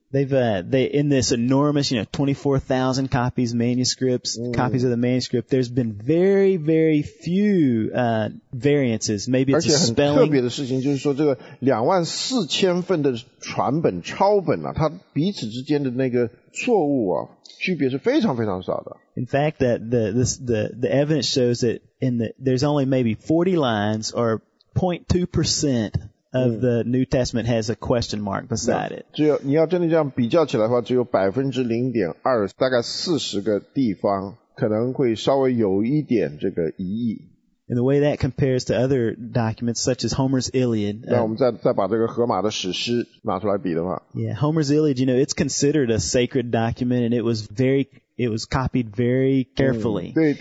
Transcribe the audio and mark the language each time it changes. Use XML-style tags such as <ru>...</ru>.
<en>In this enormous, 24,000 copies, manuscripts, copies of the manuscript, there's been very, very few variances. Maybe it's a spelling.</en> <zh>而且很特别的事情就是说这个24,000份的传本抄本啊, 它彼此之间的那个错误啊, 区别是非常非常少的。</zh> <en>In fact, the evidence shows that there's only maybe 40 lines or 0.2% of the New Testament has a question mark beside it.</en> <zh>只有你要真的这样比较起来的话，只有0.2%，大概40个地方可能会稍微有一点这个疑义。</zh> <en>And the way that compares to other documents such as Homer's Iliad.</en> <zh>那我们再把这个荷马的史诗拿出来比的话。</zh> <en>Yeah, Homer's Iliad, it's considered a sacred document and it was copied very carefully.</en>